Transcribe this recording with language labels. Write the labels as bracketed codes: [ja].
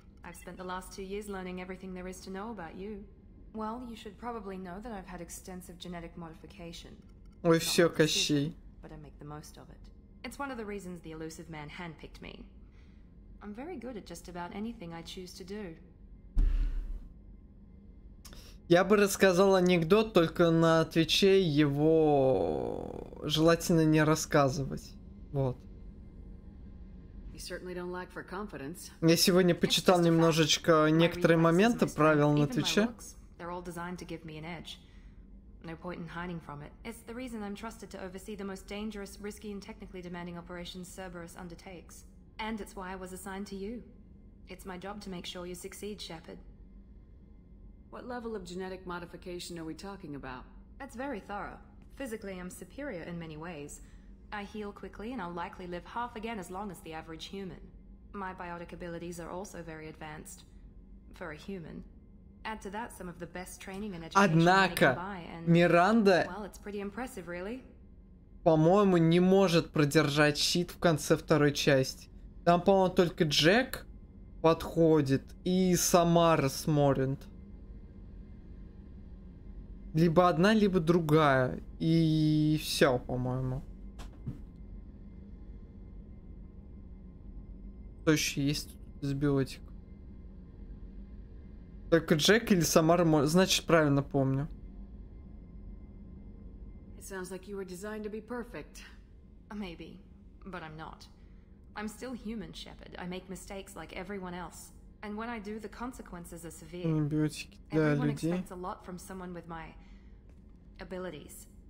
[en] I've spent the last 2 years learning everything there is to know about you. Well, you should probably know that I've had extensive genetic modification. [ru] Ой, все, Кощей. [en] But I make the most of it. It's one of the reasons the elusive man handpicked me. I'm very good at just about anything I choose to do. [ru] Я бы рассказал анекдот, только на Твиче его желательно не рассказывать. Вот. Я сегодня почитал немножечко некоторые моменты правил на Твиче. [en] They're all designed to give me an edge. No point in hiding from it. It's the reason I'm trusted to oversee the most dangerous, risky, and technically demanding operations Cerberus undertakes. And it's why I was assigned to you. It's my job to make sure you succeed, Shepard. What level of genetic modification are we talking about? That's very thorough. Physically, I'm superior in many ways. I heal quickly, and I'll likely live half again as long as the average human. My biotic abilities are also very advanced. For a human. Add to that some of the best training and education [ru] Однако, Миранда, [en] well, it's pretty impressive, really. [ru] По-моему, не может продержать щит в конце второй части. Там, по-моему, только Джек подходит и Самара Сморинт. Либо одна, либо другая. И все, по-моему. Кто еще есть из биотик? Только Джек или Самара, значит, правильно помню. [en] It sounds like you were designed to be perfect. Maybe, but I'm not. I'm still human, Shepard. I make mistakes like everyone else. And when I do, the consequences are severe. [ru] Антибиотики для людей. [en] Everyone expects a lot from someone with my abilities.